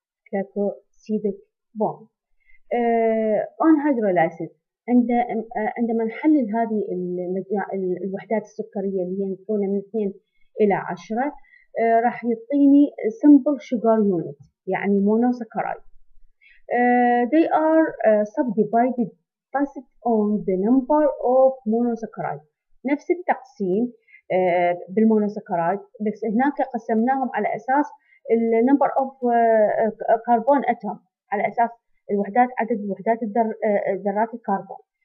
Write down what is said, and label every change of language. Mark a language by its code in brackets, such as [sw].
[en] glycosidic bond on hydrolysis, [ar] عندما نحلل هذه الوحدات السكريه اللي هي مكونه من 2 الى 10 راح يعطيني [en] simple sugar unit, [ar] يعني مونوسكرايد. [en] They are subdivided based on the number of monosaccharides. [ar] نفس التقسيم بالمونوسكرايد، بس هناك قسمناهم على أساس الـ [en] number of carbon atom، [ar] على أساس الوحدات، عدد الوحدات ذرات الكربون.